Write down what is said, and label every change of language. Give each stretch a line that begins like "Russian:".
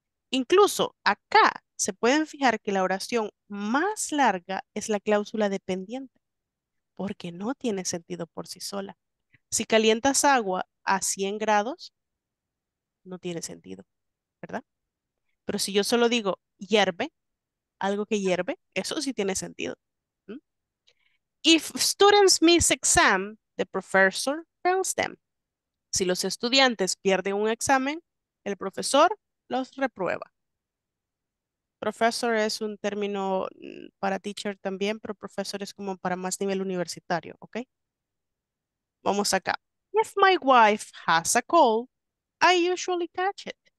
Spanish: Incluso acá se pueden fijar que la oración más larga es la cláusula dependiente. Porque no tiene sentido por sí sola. Si calientas agua a 100 grados, no tiene sentido, ¿verdad? Pero si yo solo digo hierve, algo que hierve, eso sí tiene sentido.
English: If students miss exam, the professor fails them.
Spanish: Si los estudiantes pierden un examen, el profesor los reprueba. Professor es un término para teacher también, pero profesor es como para más nivel universitario, ¿ok? Vamos acá.
English: If my wife has a cold, I usually catch it.